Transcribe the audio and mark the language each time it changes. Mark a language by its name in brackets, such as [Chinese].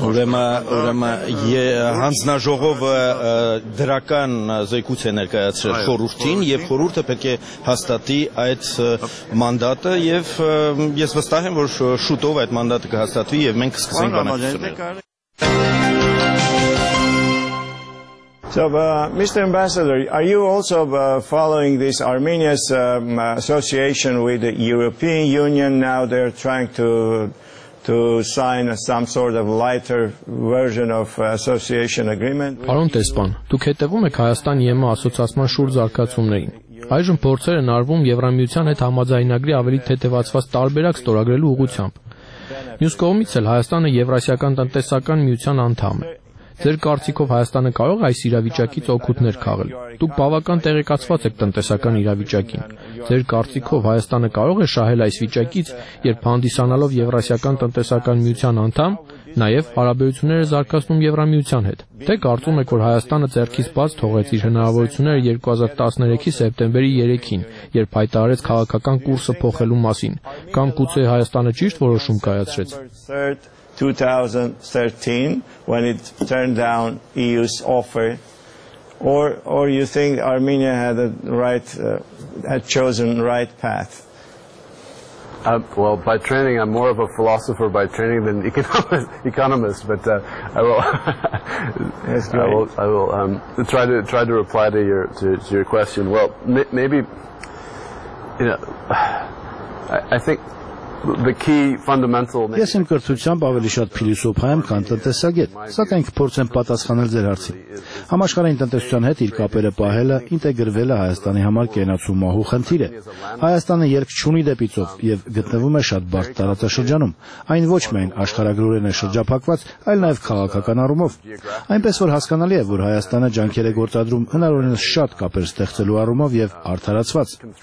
[Armenian] Ուրեմն հանձնաժողովը դրական զեկույց է ներկայացրել խորհրդին եւ խորհուրդը պետք է հաստատի այդ մանդատը, եւ ես վստահ եմ, որ շուտով այդ մանդատը կհաստատվի եւ մենք կսկսենք բանակցությունները։ [English] So, Mr. Ambassador, are you also following this Armenia's association with the European Union? Now they're trying to sign some sort of lighter version of association agreement. [Armenian] Պարոն Տեսպան, դուք հետևում եք Հայաստան-ԵՄ-ի ասոցիացիան շուրջ զարգացումներին։ Այժմ փորձեր են արվում Եվրամիության հետ համաձայնագրի ավելի թեթևացված տարբերակ ստորագրելու ուղղությամբ։ Մյուս կողմից էլ Հայաստանը Եվրասիական տնտեսական միության անդամ է։ Ձեր կարծիքով Հայաստանը կարող է այս իրավիճակից օգուտներ քաղել։ Դուք բավական տեղեկացված եք տնտեսական իրավիճակին։ Ձեր կարծիքով Հայաստանը կարող է շահել այս վիճակից, երբ հանդիսանալով Եվրասիական տնտեսական միության անդամ, նաև հարաբերությունները զարգացնում Եվրամիության հետ։ Դե կարծում եք, որ Հայաստանը ձեռքից բաց թողեց իր հնարավորությունները 2013-ի սեպտեմբերի 3-ին, երբ հայտարարեց քաղաքական կուրսը փոխելու մասին, կամ գուցե Հայաստանը ճիշտ որոշում կայացրեց [English] 2013 when it turned down EU's offer, or you think Armenia had a right had chosen right path? Well, by training I'm more of a philosopher by training than economist, but I will that's great. I will try to reply to your question. Well, maybe you know, I think the key fundamental [Armenian] ես իմ կրթությամբ ավելի շատ փիլիսոփայ եմ, քան տնտեսագետ, սակայն կփորձեմ պատասխանել ձեր հարցին։ Համաշխարհային տնտեսության հետ իր կապերը պահելը, ինտեգրվելը Հայաստանի համար կենացում մահու խնդիր է։ Հայաստանը երկչունի դեպիցով եւ գտնվում է շատ բարդ տարածաշրջանում, այն ոչ միայն աշխարհագրորեն է շրջափակված, այլ նաեւ քաղաքական առումով, այնպես որ հասկանալի է, որ Հայաստանը ջանքեր է գործադրում հնարավորինս շատ կապեր ստեղծելու առումով եւ արդարացված։